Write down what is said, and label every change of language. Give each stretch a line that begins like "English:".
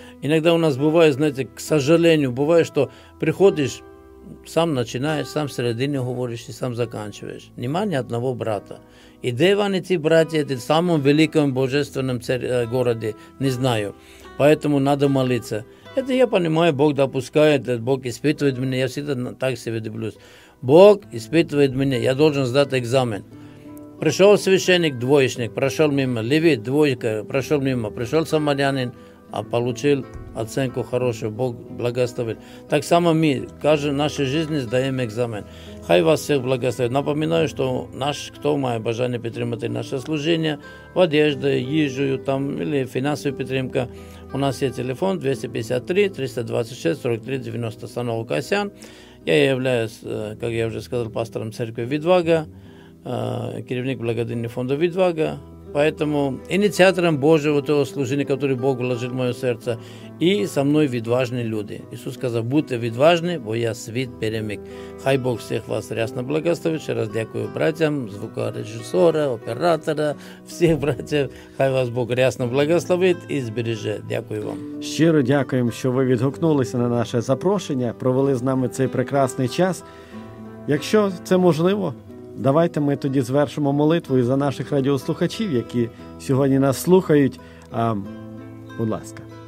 Ukrainian: Іноді у нас буває, знаєте, к сожалению, буває, що приходиш, сам починаєш, сам в середині говориш і сам заканчуєш. Нема ні одного брата. І де вони ці браті, в самому великому божественному городі, не знаю. Поэтому треба молитися.
Russian: Это я понимаю,
Ukrainian: Бог допускає, Бог іспитує мене, я завжди так себе дивлюсь.
Russian: Бог испытывает меня, я должен сдать экзамен. Пришел священник, двоечник, прошел мимо. Левит, двоечка, прошел мимо. Пришел самарянин, а получил оценку хорошую. Бог благословит. Так само мы, каждый в нашей жизни сдаем экзамен. Хай вас всех благословит. Напоминаю, что наш, кто мое обожание поддерживает наше служение, в одежде, езжу, там, или финансовая поддержка, у нас есть телефон 253-326-43-90, Санова Касян. Я являюсь, как я уже сказал, пастором церкви Відвага, керівник благодійного фонду Відвага, поэтому инициатором Божьего того служения, которое Бог вложил в мое сердце, и со мной відважні люди. Иисус сказал,
Ukrainian: будьте відважні, бо я світ перемик.
Russian: Хай Бог всех вас рясно благословит. Еще раз дякую братьям, звукорежиссера, оператора, всех братьев. Хай вас Бог рясно благословит и збереже.
Ukrainian: Дякую вам. Щиро дякуємо, що ви відгукнулися на наше запрошення, провели з нами цей прекрасний час. Якщо це можливо, давайте ми тоді звершимо молитву і за наших радіослухачів, які сьогодні нас слухають. Будь ласка.